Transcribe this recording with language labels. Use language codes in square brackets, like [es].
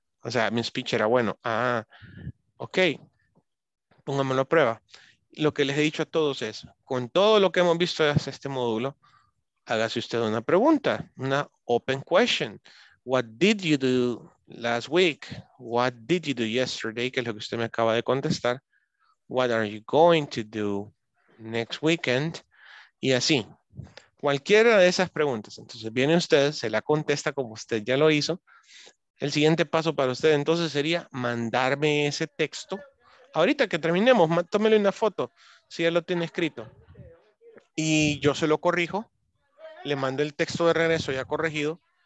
[es] O sea, mi speech era bueno. Ah, ok. Pongámoslo a prueba. Lo que les he dicho a todos es, con todo lo que hemos visto desde este módulo, hágase usted una pregunta, una [en] open question. What did you do last week? What did you do yesterday? [es] Que es lo que usted me acaba de contestar. [en] What are you going to do next weekend? [es] Y así. Cualquiera de esas preguntas. Entonces viene usted, se la contesta como usted ya lo hizo. El siguiente paso para usted entonces sería mandarme ese texto. Ahorita que terminemos, tómele una foto si ya lo tiene escrito. Y yo se lo corrijo. Le mando el texto de regreso ya corregido.